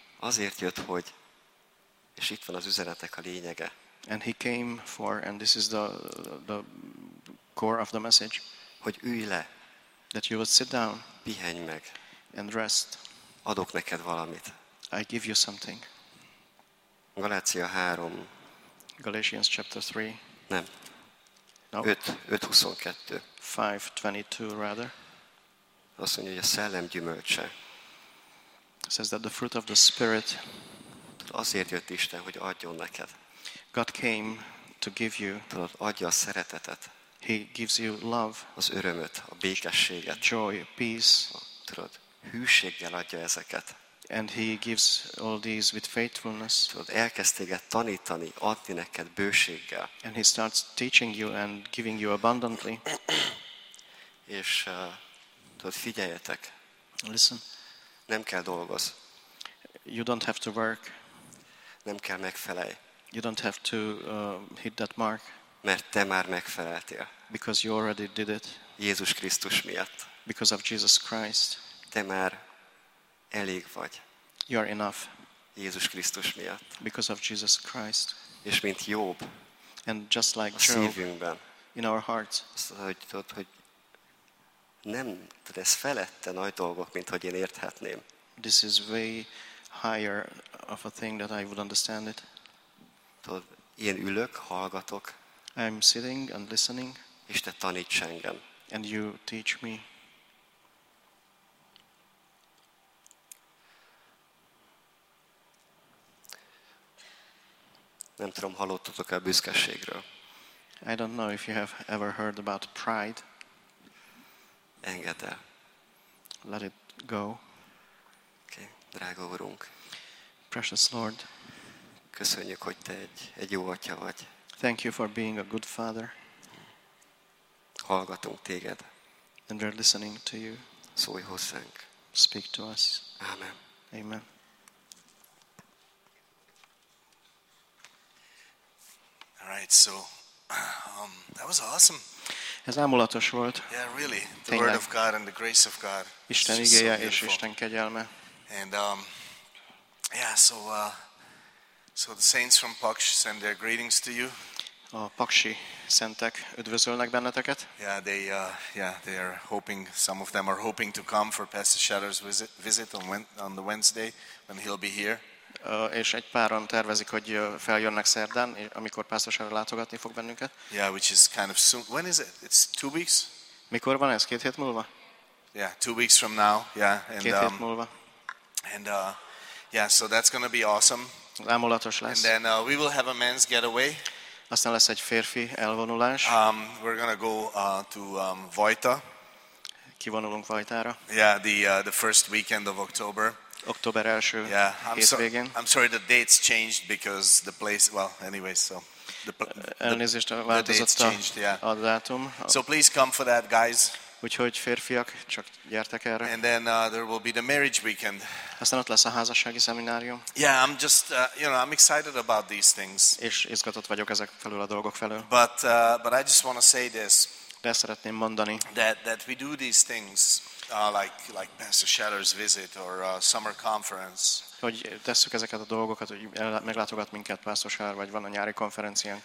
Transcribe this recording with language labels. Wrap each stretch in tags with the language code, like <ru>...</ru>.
<hu>Azért jött, hogy és itt van az üzenetek a lényege.</hu> <en>And he came for, and this is the core of the message.</en> <hu>Hogy ülj le.</hu> <en>That you would sit down.</en> <hu>Pihenj meg.</hu> <en>And rest.</en> <hu>Adok neked valamit.</hu> <en>I give you something.</en> <hu>Galácia 3.</hu> <en>Galatians chapter 3.</en> <hu>Nem.</hu> <en>No.</en> <hu>5:22.</hu> <en>5:22 rather.</en> <hu>Azt mondja, hogy a szellem gyümölcse.</hu> <en>Says that the fruit of the spirit.</en> <hu>Azért jött Isten, hogy adjon neked.</hu> <en>God came to give you.</en> <hu>Tudod, adja a szeretetet.</hu> <en>He gives you love.</en> <hu>Az örömöt, a békességet.</hu> <en>Joy, peace.</en> <hu>Tudod, hűséggel adja ezeket.</hu> <en>And he gives all these with faithfulness.</en> <hu>Tudod, elkezd téged tanítani, adni neked bőséggel.</hu> <en>And he starts teaching you and giving you abundantly.</en> <hu>És tudod, figyeljetek.</hu> <en>Listen.</en> <hu>Nem kell dolgozz.</hu> <en>You don't have to work.</en> <hu>Nem kell megfelelj.</hu> <en>You don't have to hit that mark.</en> <hu>Mert te már megfeleltél.</hu> <en>Because you already did it.</en> <hu>Jézus Krisztus miatt.</hu> <en>Because of Jesus Christ.</en> <hu>Te már elég vagy.</hu> <en>You are enough.</en> <hu>Jézus Krisztus miatt.</hu> <en>Because of Jesus Christ.</en> <hu>És mint Jób.</hu> <en>And just like</en> <hu>a szívünkben.</hu> <en>In our hearts.</en> <hu>Hogy nem, de ez felette nagy dolgok, mint hogy én érthetném.</hu> <en>This is way higher of a thing that I would understand it.</en> <hu>Tudod, én ülök, hallgatok.</hu> <en>I'm sitting and listening.</en> <hu>És te taníts engem.</hu> <en>And you teach me.</en> <hu>Nem tudom, hallottatok-e a büszkeségről.</hu> <en>I don't know if you have ever heard about pride.</en> <hu>Engedd el.</hu> <en>Let it go.</en> <hu>Okay, drága Urunk.</hu> <en>Precious Lord.</en> <hu>Köszönjük, hogy te egy jó atya vagy.</hu> <en>Thank you for being a good father.</en> <hu>Hallgatunk téged.</hu> <en>And we're listening to you.</en> <hu>Szólj hozzánk.</hu> <en>Speak to us.</en> <hu>Amen.</hu> <en>Amen. Right, so that was awesome.</en> <hu>Ez ámulatos volt.</hu> <en>Yeah, really. The word of God and the grace of God.</en> <hu>Isten igéje és Isten kegyelme.</hu> <en>And so the saints from Paks send their greetings to you.</en> <hu>A paksi szentek üdvözölnek benneteket.</hu> <en>Yeah, they are hoping, some of them are hoping to come for Pastor Shatter's visit on the Wednesday when he'll be here.</en> <hu>És egy páran tervezik, hogy feljönnek szerdán, amikor pásztorsára látogatni fog bennünket.</hu> <en>Yeah, which is kind of soon. When is it? It's 2 weeks?</en> <hu>Mikor van ez? 2 hét múlva?</hu> <en>Yeah, 2 weeks from now. Yeah,</en> <hu>and, 2 hét múlva.</hu> <en>And so that's going to be awesome.</en> <hu>Ámulatos lesz.</hu> <en>And then we will have a men's getaway.</en> <hu>Aztán lesz egy férfi elvonulás.</hu> <en>We're going to go to Vojta.</en> <hu>Kivonulunk Vojtára.</hu> <en>Yeah, the first weekend of October.</en> <hu>Október első hétvégén.</hu> <en>I'm sorry, the dates changed because the place. Well, anyways, so the dates changed. Yeah. So please come for that, guys.</en> <hu>Úgyhogy férfiak, csak gyertek erre.</hu> <en>And then there will be the marriage weekend.</en> <hu>Aztán ott lesz a házassági szeminárium.</hu> <en>Yeah, I'm just, I'm excited about these things.</en> <hu>És izgatott vagyok ezek felől a dolgok felől.</hu> <en>But I just want to say this.</en> <hu>De szeretném mondani.</hu> <en>That we do these things. Like Pastor Scheller's visit or summer conference.</en> <hu>Hogy tesszük ezeket a dolgokat, hogy meglátogat minket Pastor Scheller, vagy van a nyári konferencián.</hu>